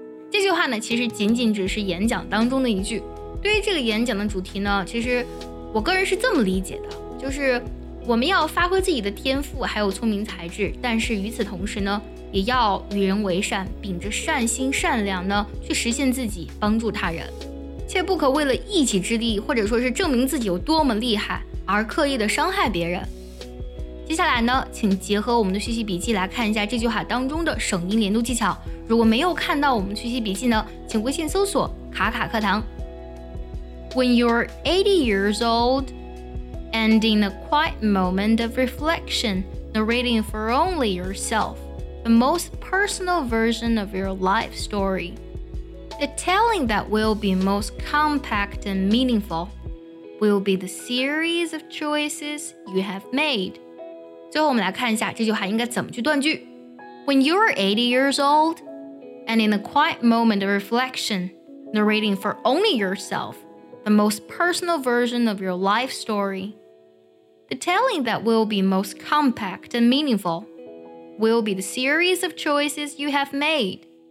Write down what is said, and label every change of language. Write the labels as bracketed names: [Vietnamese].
[Chinese] 这句话呢其实仅仅只是演讲当中的一句对于这个演讲的主题呢其实我个人是这么理解的就是我们要发挥自己的天赋还有聪明才智但是与此同时呢也要与人为善秉着善心善良呢去实现自己帮助他人切不可为了一己之力或者说是证明自己有多么厉害而刻意的伤害别人。接下来呢，请结合我们的学习笔记来看一下这句话当中的省音连读技巧。如果没有看到我们的学习笔记呢，请微信搜索“卡卡课堂”。 [English] When you're 80 years old, and in a quiet moment of reflection, narrating for only yourself, the most personal version of your life story, the telling that will be most compact and meaningful. Will be the series of choices you have made. [Chinese] 最后我们来看一下这句话应该怎么去断句。 [English] When you are 80 years old, and in a quiet moment of reflection, narrating for only yourself, the most personal version of your life story, the telling that will be most compact and meaningful, will be the series of choices you have made.